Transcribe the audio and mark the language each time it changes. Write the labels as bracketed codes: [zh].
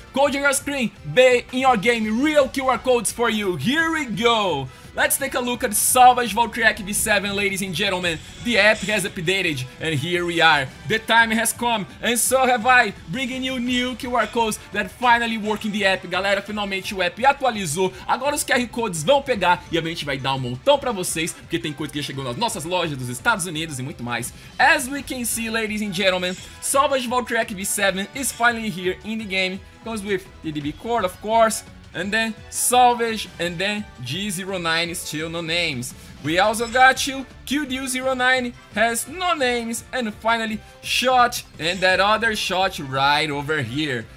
[en] Code on your screen, be in your game, real QR codes for you, here we go! Let's take a look at Salvage Valtryek V7, ladies and gentlemen. The app has updated, and here we are. The time has come, and so have I, bringing you new QR codes that finally work in the app. [pt] Galera, finalmente o app atualizou. Agora os QR codes vão pegar, e a gente vai dar um montão pra vocês, porque tem coisa que já chegou nas nossas lojas dos Estados Unidos e muito mais. [en] As we can see, ladies and gentlemen, Salvage Valtryek V7 is finally here in the game. Comes with the DB cord, of course. And then Salvage, and then G09, still no names. We also got you, QDU09 has no names, and finally Shot, and that other Shot right over here.